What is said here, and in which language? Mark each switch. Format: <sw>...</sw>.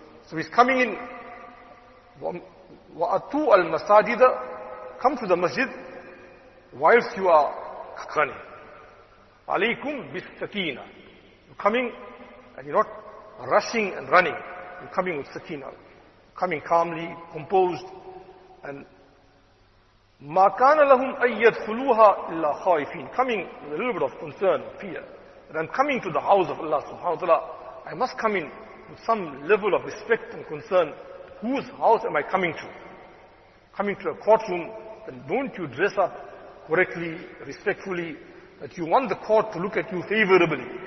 <en>So he's coming in,</en> <ar>wa'atu al-masajida,</ar> <en>come to the masjid, whilst you are running.</en> <ar>Alaykum bis-sakina.</ar> <en>You're coming, and you're not rushing and running. You're coming with sakina. Coming calmly, composed, and</en> <ar>مَا كَانَ لَهُمْ أَيَّدْخُلُوهَا إِلَّا خَائِفِينَ.</ar> <en>Coming with a little bit of concern, fear. That I'm coming to the house of Allah subhanahu wa ta'ala. I must come in with some level of respect and concern. Whose house am I coming to? Coming to a courtroom, then don't you dress up correctly, respectfully, that you want the court to look at you favorably.</en>